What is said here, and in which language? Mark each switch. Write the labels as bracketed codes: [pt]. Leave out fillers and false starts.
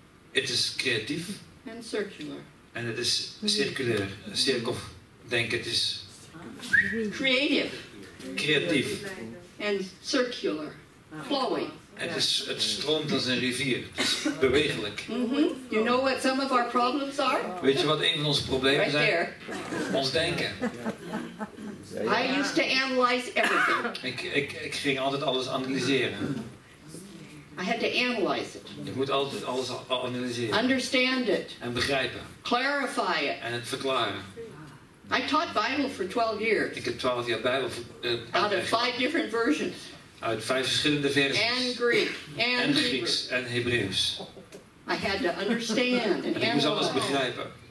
[nl] Het is creatief. [en] And circular. [nl] En het is circulair. Cirkeldenken. Het is [en] creative. [nl] Creatief. [en] And circular. Flowing. [nl] Het stroomt als een rivier. Het is bewegelijk. Mm-hmm. [en] You know what some of our problems are? [nl] Weet je wat een van onze problemen [en] right [nl] zijn? [en] There. [nl] Ons denken. [en] I used to analyze everything. [nl] Ik ging altijd alles analyseren. [en] I had to analyze it. [nl] Je moet altijd alles analyseren. [en] Understand it. [nl] En begrijpen. [en] Clarify it. [nl] En het verklaren. [en] I taught Bible for 12 years. [nl] Ik heb 12 jaar Bijbel [en] out of 5 different versions. [nl] Uit 5 verschillende versies. [en] And Greek. [nl] And Grieks en Hebreeuws. [en] I had to understand and [nl] analyze. Ik moest alles begrijpen.